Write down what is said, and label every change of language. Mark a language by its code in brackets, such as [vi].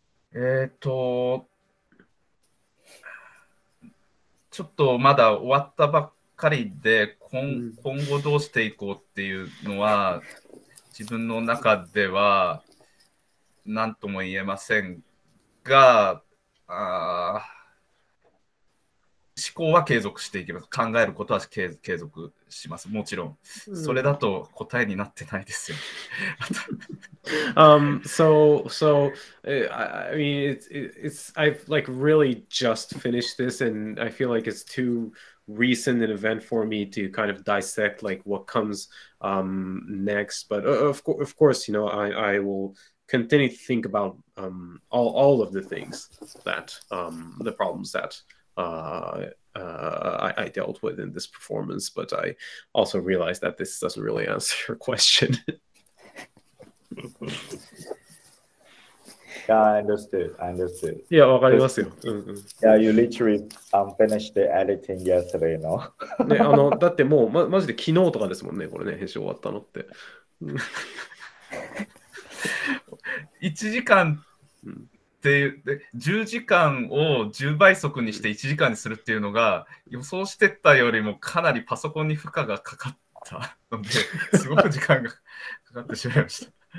[ja] ちょっとまだ終わったばっかりで今後どうしていこうっていうのは自分の中では何とも言えませんが、思考は継続していきます。考えることは継続します。もちろんそれだと答えになってないですよ。 [en] So I mean it's I've like really just finished this and I feel like it's too recent an event for me to kind of dissect like what comes next. But of course, you know, I will continue to think about all of the things that the problems that I dealt with in this performance. But I also realized that this doesn't really answer your question. Yeah, I understood. [ja] Yeah, わかりますよ。 [en] Yeah, you literally finished the editing yesterday, you know? [ja] ね、あの、だってもう、マジで昨日とかですもんね、これね、編集終わったのって。 1時間って、で、10時間を10倍速にして1時間にするっていうのが、予想してたよりもかなりパソコンに負荷がかかったので、すごく時間がかかってしまいました。